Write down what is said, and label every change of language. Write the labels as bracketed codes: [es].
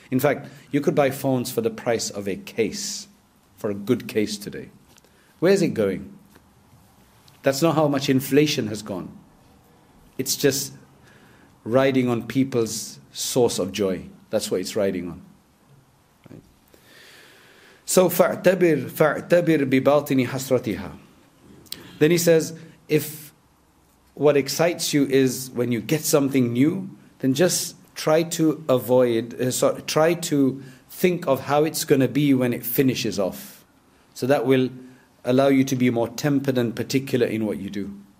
[en] In fact, you could buy phones for the price of a case, for a good case today. Where's it going? That's not how much inflation has gone. It's just riding on people's source of joy. That's what it's riding on. Right? So [ar] فَاعْتَبِرْ بِبَاطِنِ حَسْرَتِهَا. [en] Then he says, if what excites you is when you get something new, then just try to avoid, try to think of how it's going to be when it finishes off. So that will allow you to be more tempered and particular in what you do.